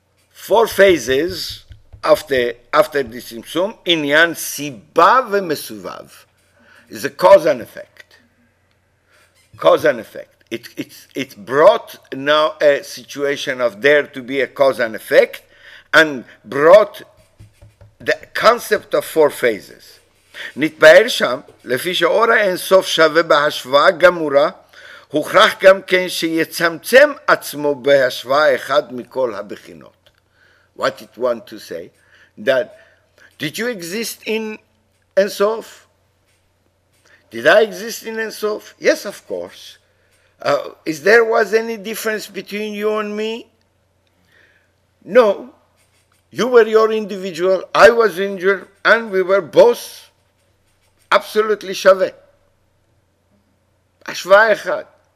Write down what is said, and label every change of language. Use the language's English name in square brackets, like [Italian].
[English] Four phases after the tzimtzum, inyan sibav mesuvav, is a cause and effect. Cause and effect. It brought now a situation of there to be a cause and effect, and brought the concept of four phases. [Hebrew] נתבהר שם, לפי שאור האינסוף שווה בהשוואה גמורה, הוכרח גם כן שיצמצם עצמו בהשוואה אחד מכל הבחינות. [English] What it want to say? That, did you exist in אינסוף? Did I exist in אינסוף? Yes, of course. Is there was any difference between you and me? No. You were your individual, I was injured, and we were both absolutely shave. Ashva echad.